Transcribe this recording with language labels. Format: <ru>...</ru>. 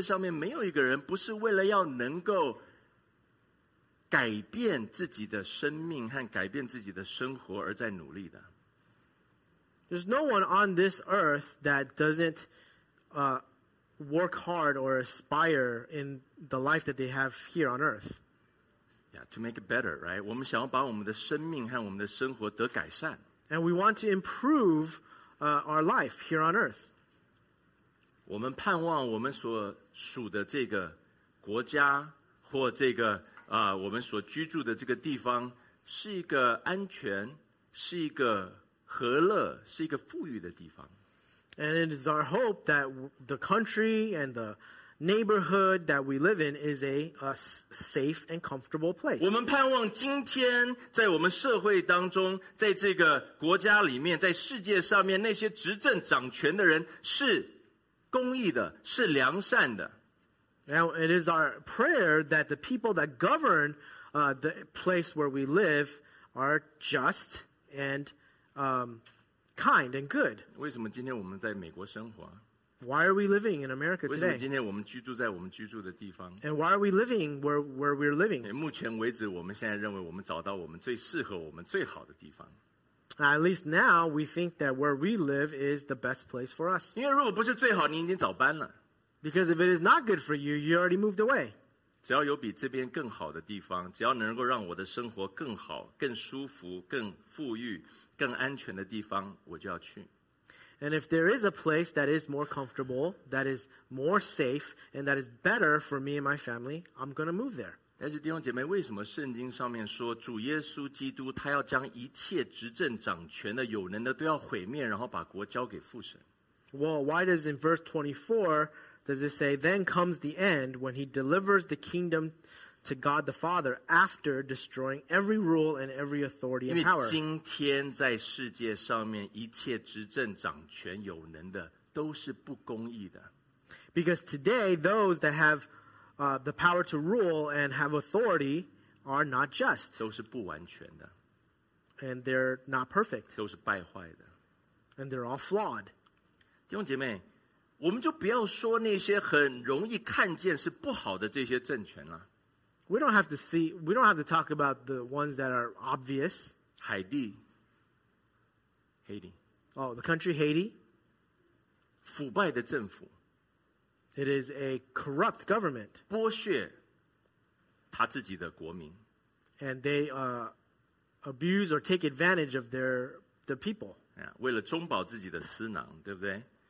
<zh>没有, 改变自己的生命和改变自己的生活而在努力的。</zh> <en>There's no one on this earth that doesn't work hard or aspire in the life that they have here on earth. Yeah, to make it better, right?</en> <zh>我们想要把我们的生命和我们的生活得改善。</zh> <en>And we want to improve our life here on earth.</en> <zh>我们盼望我们所属的这个国家或这个我们所居住的这个地方是一个安全，是一个和乐，是一个富裕的地方。</zh> <en>And it is our hope that the country and the neighborhood that we live in is a safe and comfortable place.</en> <zh>我们盼望今天在我们社会当中，在这个国家里面，在世界上面，那些执政掌权的人是公义的，是良善的。</zh> <en>Now it is our prayer that the people that govern the place where we live are just and kind and good.</en> <zh>为什么今天我们在美国生活？</zh> <en>Why are we living in America today?</en> <zh>为什么今天我们居住在我们居住的地方？</zh> <en>And why are we living where we're living?</en> <zh>目前为止，我们现在认为我们找到我们最适合我们最好的地方。</zh> <en>At least now, we think that where we live is the best place for us.</en> <zh>因为如果不是最好，你已经早搬了。</zh> <en>Because if it is not good for you, you already moved away.</en> <zh>只要有比这边更好的地方，只要能够让我的生活更好、更舒服、更富裕、更安全的地方，我就要去。</zh> <en>And if there is a place that is more comfortable, that is more safe, and that is better for me and my family, I'm going to move there.</en> <zh>但是弟兄姐妹，为什么圣经上面说主耶稣基督他要将一切执政掌权的有能的都要毁灭，然后把国交给父神？</zh> <en>Well, why does in verse 24, does it say, then comes the end when he delivers the kingdom to God the Father after destroying every rule and every authority and power.</en> <zh>因为今天在世界上面一切执政掌权有能的都是不公义的。</zh> <en>Because today those that have the power to rule and have authority are not just.</en> <zh>都是不完全的。</zh> <en>And they're not perfect.</en> <zh>都是败坏的。</zh> <en>And they're all flawed.</en> <zh>弟兄姐妹，我们就不要说那些很容易看见是不好的这些政权了。</zh> <en>We don't have to talk about the ones that are obvious. Haiti. Oh, the country Haiti.</en> <zh>腐败的政府。</zh> <en>It is a corrupt government.</en> <zh>剥削他自己的国民。</zh> <en>And they abuse or take advantage of the people. Yeah,</en> <zh>为了中保自己的私囊，对不对？</zh>